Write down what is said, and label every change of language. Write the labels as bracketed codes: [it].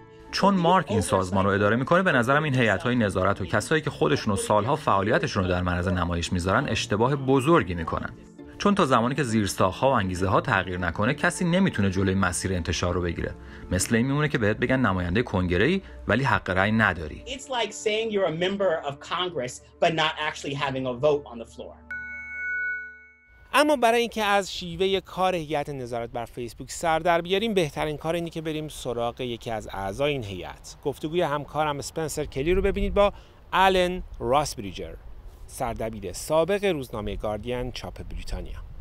[fa] چون مارک این سازمان رو اداره میکنه، به نظرم این هیئت‌های نظارت و کسایی که خودشونو سالها فعالیتشون رو در معرض نمایش میذارن اشتباه بزرگی میکنن. چون تا زمانی که زیرساخت‌ها و انگیزه ها تغییر نکنه، کسی نمیتونه جلوی مسیر انتشار رو بگیره. مثل این میمونه که بهت بگن نماینده کنگره‌ای ولی حق رأی نداری. [en] It's like saying you're a member of Congress but not actually having a vote on the floor. [fa] اما برای اینکه از شیوه کار هیئت نظارت بر فیسبوک سر در بیاریم، بهترین کار اینه که بریم سراغ یکی از اعضای این هیئت. گفتگوی همکارم اسپنسر کلی رو ببینید با آلن راسبریجر، سردبیر سابق روزنامه گاردین چاپ بریتانیا.